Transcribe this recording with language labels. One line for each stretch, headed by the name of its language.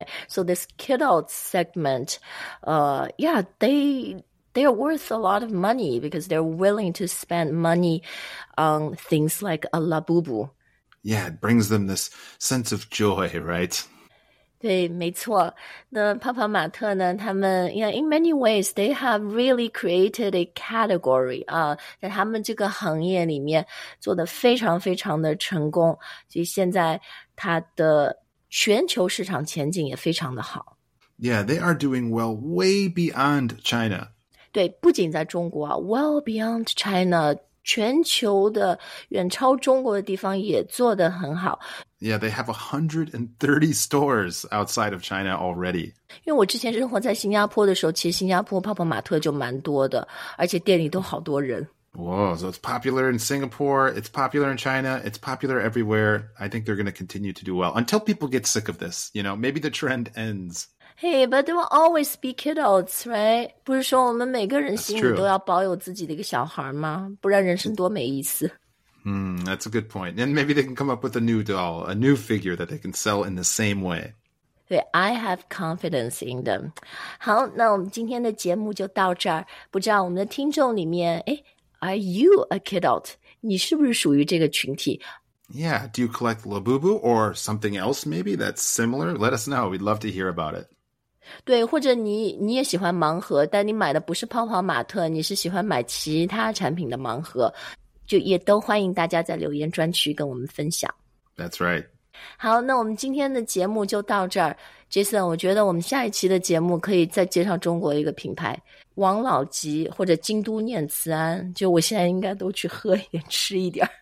English: So this kidults segment, they are worth a lot of money because they're willing to spend money on things like a Labubu. Yeah, it brings them this sense of joy, right?
Chinese: 对，没错。那泡泡玛特呢？
English: 他们 ，yeah, in many ways, they have really created a category.
Chinese: 啊，在他们这个行业里面做得非常非常的成功，所以现在它的全球市场前景也非常的好。
English: Yeah, they are doing well way beyond China.
Chinese: 对，不仅在中国啊 ，
English: well beyond China。
Chinese: 全球的远超中国的地方也做得很好。
English: Yeah, they have 130 stores outside of China already.
Chinese: 因为我之前生活在新加坡的时候，其实新加坡泡泡玛特就蛮多的，而且店里都好多人。
English: Whoa, so it's popular in Singapore, it's popular in China, it's popular everywhere. I think they're going to continue to do well until people get sick of this. You know, maybe the trend ends. Hey, but there will always be kidults, right?
Chinese: 不是说我们每个人心里都要保有自己的一个小孩吗？不然人生多没意思。
English: That's a good point. And maybe they can come up with a new doll, a new figure that they can sell in the same way. 对 ，I have confidence in them.
Chinese: 好，那我们今天的节目就到这儿。不知道我们的听众里面，哎 ，
English: Are you a kidult?
Chinese: 你是不是属于这个群体？
English: Yeah, do you collect Labubu or something else maybe that's similar? Let us know. We'd love to hear about it.
Chinese: 对，或者你也喜欢盲盒，但你买的不是泡泡玛特，你是喜欢买其他产品的盲盒，就也都欢迎大家在留言专区跟我们分享。
English: That's right.
Chinese: 好，那我们今天的节目就到这儿。Jason, 我觉得我们下一期的节目可以再介绍中国一个品牌，王老吉或者京都念慈庵，就我现在应该都去喝一点吃一点。